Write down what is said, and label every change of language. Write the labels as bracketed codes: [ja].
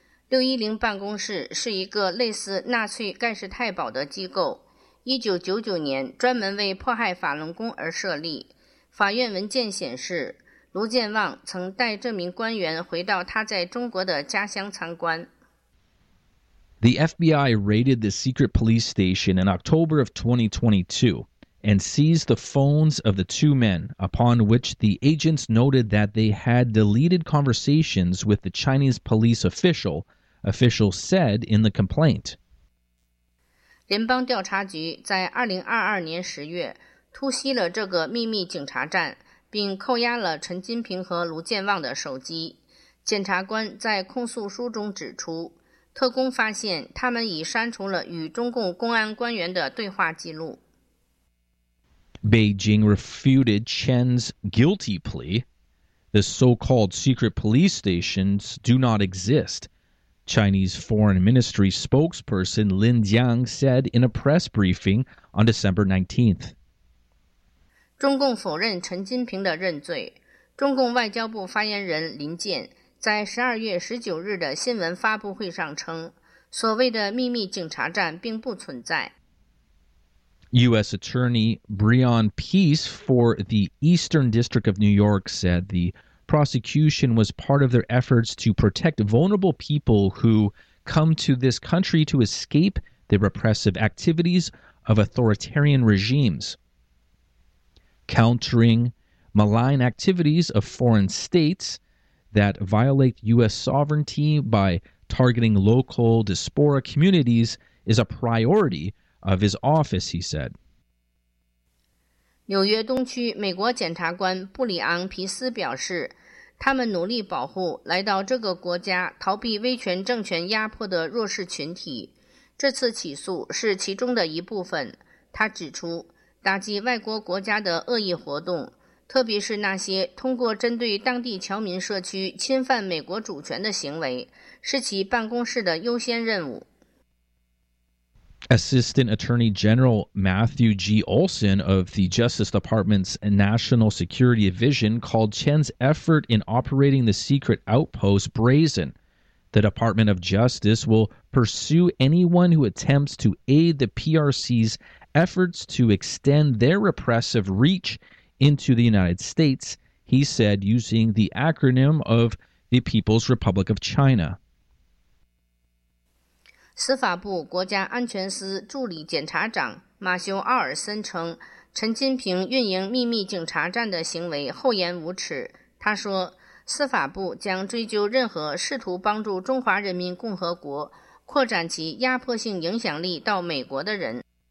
[zh] 610办公室是一个类似纳粹盖世太保的机构，1999年专门为迫害法轮功而设立。法院文件显示，卢建旺曾带这名官员回到他在中国的家乡参观。 [en] The FBI raided the secret police station in October of 2022 and seized the phones of the two men, upon which the agents noted that they had deleted conversations with the Chinese police official, officials said in the complaint. [zh] 联邦调查局在2022年10月突袭了这个秘密警察站，并扣押了陈金平和卢建旺的手机。检察官在控诉书中指出，特工发现他们已删除了与中共公安官员的对话记录。 [en] Beijing refuted Chen's guilty plea. The so-called secret police stations do not exist. Chinese Foreign Ministry spokesperson Lin Jiang said in a press briefing on December 19th. [zh] 中共否认陈金平的认罪。中共外交部发言人林健在12月19日的新闻发布会上称，所谓的秘密警察站并不存在。 [en] U.S. Attorney Breon Peace for the Eastern District of New York said the prosecution was part of their efforts to protect vulnerable people who come to this country to escape the repressive activities of authoritarian regimes. Countering malign activities of foreign states that violate U.S. sovereignty by targeting local diaspora communities is a priority of his office, he said. [zh] 纽约东区美国检察官布里昂·皮斯表示，他们努力保护来到这个国家逃避威权政权压迫的弱势群体。这次起诉是其中的一部分。他指出，打击外国国家的恶意活动，特别是那些通过针对当地侨民社区侵犯美国主权的行为，是其办公室的优先任务。 [en] Assistant Attorney General Matthew G. Olson of the Justice Department's National Security Division called Chen's effort in operating the secret outpost brazen. The Department of Justice will pursue anyone who attempts to aid the PRC's efforts to extend their repressive reach into the United States, he said, using the acronym of the People's Republic of China. [zh] 司法部国家安全司助理检察长马修·奥尔森称，陈金平运营秘密警察站的行为厚颜无耻。他说，司法部将追究任何试图帮助中华人民共和国扩展其压迫性影响力到美国的人。